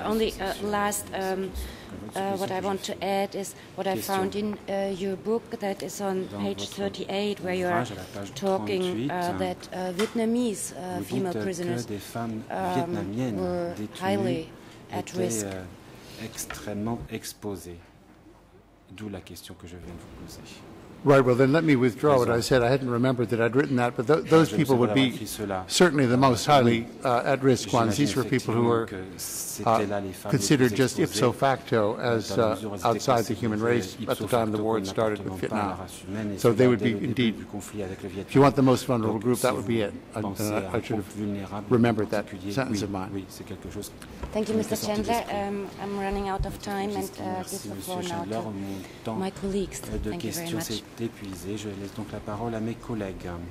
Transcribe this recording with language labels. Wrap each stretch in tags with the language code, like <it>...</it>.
<en>Only last, what I want to add is what I found in your book, that is on page 38, where you are talking that Vietnamese female prisoners were highly at risk.</en> <fr>Extrêmement exposées. D'où la question que je viens de vous poser.</fr> <en>Right, well, then let me withdraw what I said. I hadn't remembered that I'd written that, but those people would be certainly the most highly at risk ones. These were people who were considered just ipso facto as outside the human race at the time the war had started with Vietnam. So they would be indeed, if you want the most vulnerable group, that would be it. I should have remembered that sentence of mine. Thank you, Mr. Chandler. I'm running out of time, and give the floor now to my colleagues. Thank you very much.</en> <fr>Épuisé. Je laisse donc la parole à mes collègues.</fr>